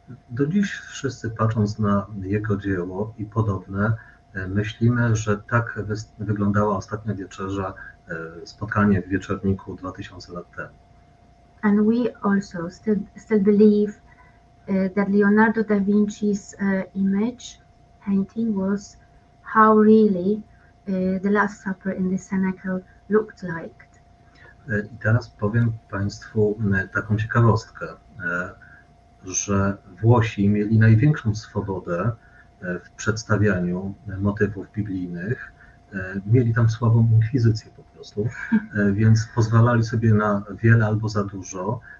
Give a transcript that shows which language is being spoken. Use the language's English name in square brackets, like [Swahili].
[Polish] Do dziś wszyscy, patrząc na jego dzieło i podobne, myślimy, że tak wyglądała ostatnia wieczerza, spotkanie w Wieczerniku 2000 lat temu. [English] And we also still believe that Leonardo da Vinci's image painting was how really the Last Supper in the Cenacle looked like. [Polish] I teraz powiem Państwu taką ciekawostkę, że Włosi mieli największą swobodę w przedstawianiu motywów biblijnych. Mieli tam słabą inkwizycję po prostu, więc pozwalali sobie na wiele albo za dużo.